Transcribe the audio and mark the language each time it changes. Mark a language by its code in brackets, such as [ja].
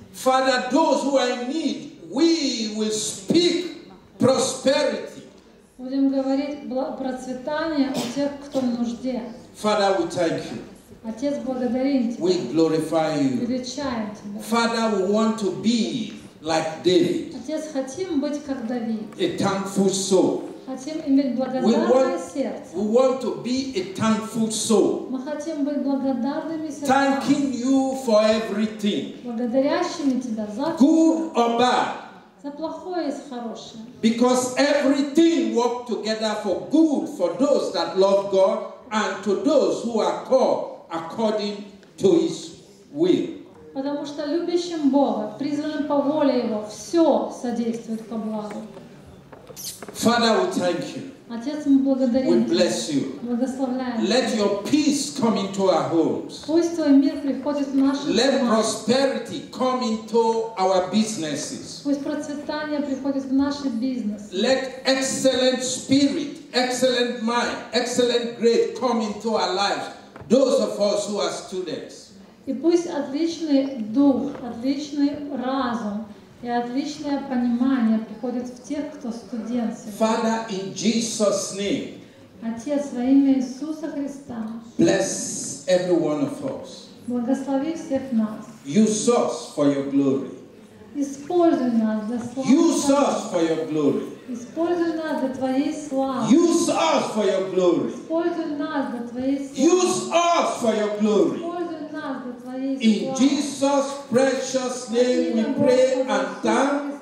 [en] Father, those who are in need, we will speak prosperity. [ru] Будем говорить процветание у тех, кто в нужде. [en] Father, we thank you. [ru] Отец, благодарим Тебя. [en] We glorify you. [ru] Величаем Тебя. [en] Father, we want to be like David. [ru] Отец, хотим быть как Давид. [en] A thankful soul. [ru] Хотим иметь благодарное сердце. [en] We want to be a thankful soul. [ru] Мы хотим быть благодарными сердцем. [en] Thanking you for everything. [ru] Благодарящими Тебя за все. [en] Good or bad. [ru] За плохое и за хорошее. [en] Because everything works together for good for those that love God and to those who are called according to His will. [ru] Потому что любящим Бога, призванным по воле Его, все содействует ко благу. [en] Father, we thank you. [ru] Отец, мы благодарим Тебя. [en] We bless you. [ru] Благословляем. [en] Let your peace come into our homes. [ru] Пусть твой мир приходит в наши [en] Let [ru] дома. [en] Let prosperity come into our businesses. [ru] Пусть процветание приходит в наши бизнесы. [en] Let excellent spirit, excellent mind, excellent grace come into our lives. Those of us who are students. [ru] И пусть отличный дух, отличный разум и отличное понимание приходит в тех, кто студент. [en] Father, in Jesus' name. [ru] Отец, во имя Иисуса Христа. [en] Bless every one of us. [ru] Благослови всех нас. [en] Use us for your glory. [ru] Используй нас для славы. [en] Use us for your glory. [ru] Используй нас для твоей славы. [en] Use us for your glory. [ru] Используй нас для твоей славы. [en] Use us for your glory. [ru] Используй нас для твоей славы. [en] In Jesus' precious name we pray and thank.